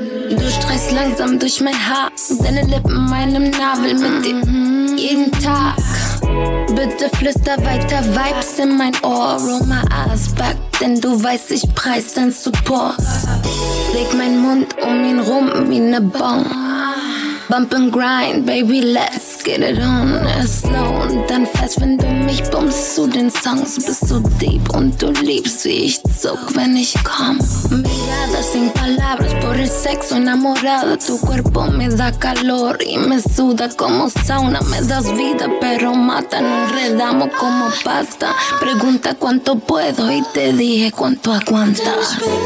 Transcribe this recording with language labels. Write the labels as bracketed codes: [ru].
[de] Du streichst langsam durch mein Haar, deine Lippen meinem Nabel mit dir jeden Tag. Bitte flüster weiter Vibes in mein Ohr. [en] Roll my ass back, [de] denn du weißt, ich preis dein Support. Leg mein Mund um ihn rum wie ne Bong. [en] Bump and grind, baby, let's get it on. [de] Slow und dann fest, wenn du mich bummst zu den Songs. Bist du deep und du liebst, wie ich zuck, wenn ich komm. [es] Mirada sin palabras, por el sexo enamorada. Tu cuerpo me da calor y me suda como sauna. Me das vida, pero mata, no enredamo como pasta. Pregunta cuánto puedo y te dije cuánto aguantas.